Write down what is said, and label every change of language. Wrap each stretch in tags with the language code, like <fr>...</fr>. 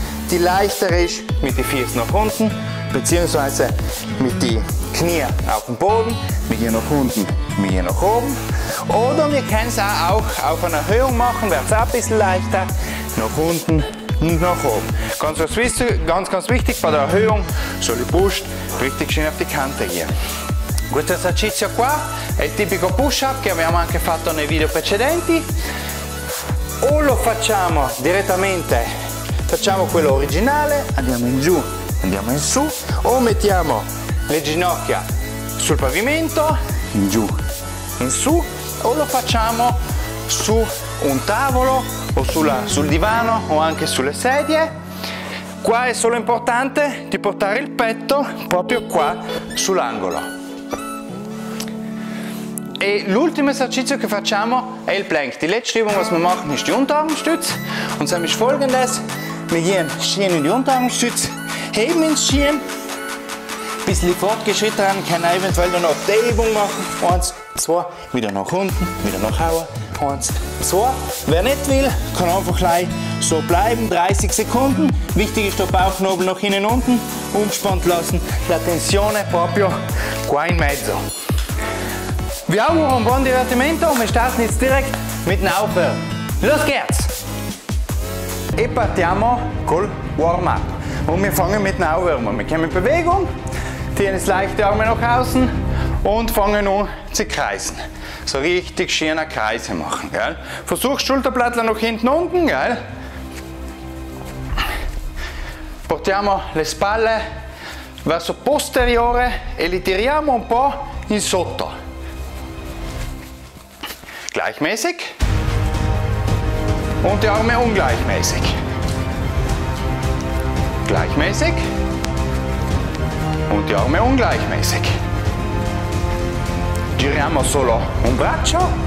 <de>Die leichtere ist mit den Füßen nach unten, beziehungsweise mit den Knien auf dem Boden. Wir gehen nach unten, wir gehen nach oben. Oder wir können es auch auf einer Erhöhung machen, wäre es auch ein bisschen leichter. Nach unten, nach oben. Ganz wichtig, bei der Erhöhung soll die Brust richtig schön auf die Kante gehen.</de> <it>Questo esercizio qua è il tipico push-up che abbiamo anche fatto nei video precedenti. O lo facciamo direttamente, facciamo quello originale, andiamo in giù, andiamo in su, o mettiamo le ginocchia sul pavimento, in giù, in su, o lo facciamo su un tavolo o sul divano o anche sulle sedie. Qua è solo importante di portare il petto proprio qua sull'angolo. E l'ultimo esercizio che facciamo è il plank.</it> <de>Die letzte Übung, was wir machen, ist die Unterarmstütz. Und zwar ist folgendes: Wir gehen schön in die Unterarmstütz, heben ins Schien. Ein bisschen fortgeschritten, kann er eventuell noch die Übung machen. Eins, zwei, wieder nach unten, wieder nach oben. Eins, zwei. Wer nicht will, kann einfach gleich so bleiben, 30 Sekunden. Wichtig ist, der Bauchnabel nach innen und unten umspannt lassen.</de> <it>La tensione proprio qua in mezzo. Vi auguro un buon divertimento.</it> <de>Wir starten jetzt direkt mit dem Aufwärmen. Los geht's!</de> <it>E partiamo col Warm-up.</it> <de>Und wir fangen mit dem Aufwärmen. Wir kommen in Bewegung. ziehen jetzt leichte Arme nach außen und fangen an zu kreisen. So richtig schöne Kreise machen. Gell? Versuch Schulterblätter nach hinten unten. Gell?</de> <it>Portiamo le spalle verso posteriore e li tiriamo un po' in sotto.</it> <de>Gleichmäßig. Und die Arme ungleichmäßig. Gleichmäßig. Und die Arme ungleichmäßig.</de> <it>Giriamo solo un braccio.</it>